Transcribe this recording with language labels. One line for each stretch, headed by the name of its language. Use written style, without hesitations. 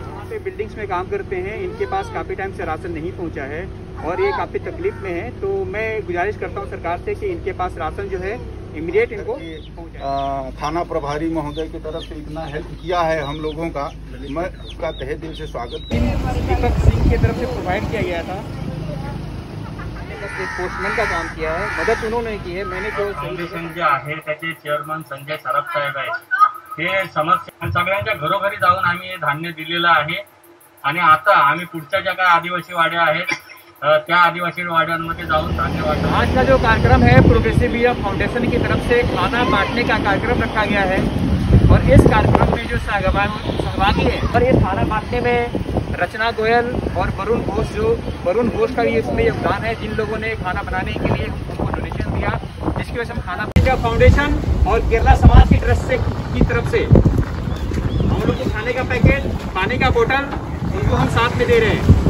Hindi: पे बिल्डिंग्स में काम करते हैं, इनके पास काफ़ी टाइम से राशन नहीं पहुंचा है और ये काफ़ी तकलीफ में है, तो मैं गुजारिश करता हूं सरकार से कि इनके पास राशन जो है इमीडिएट इनको थाना प्रभारी महोदय की तरफ से इतना हेल्प किया है हम लोगों का, मैं उसका तहे दिल से स्वागत दीपक सिंह की तरफ से प्रोवाइड किया गया था, पोस्टमैन का काम किया है, मदद उन्होंने की है। मैंने जो
Marathi: फाउंडेशन जे आहे त्याचे चेअरमन संजय सरप साहेब आहे, ते समस्या सगळ्यांच्या घरोघरी जाऊन आम्ही हे धान्य दिलेलं आहे। आणि आता आम्ही पुढच्या ज्या काही आदिवासी वाड्या आहेत त्या आदिवासी वाड्यांमध्ये जाऊन धान्य वाटतो।
Hindi: आजचा जो कार्यक्रम है प्रोग्रेसिव इंडिया फाउंडेशन की तरफ से खाना बांटने का कार्यक्रम रखा गया है, और इस कार्यक्रम में जो सहभागी है और ये खाना बांटने में रचना गोयल और वरुण घोष, जो वरुण घोष का भी इसमें योगदान है, जिन लोगों ने खाना बनाने के लिए हमको डोनेशन दिया, जिसकी वजह से हम खाना इंडिया फाउंडेशन और केरला समाज की ट्रस्ट से की तरफ से हम लोग को खाने का पैकेट, पानी का बोतल उनको हम साथ में दे रहे हैं।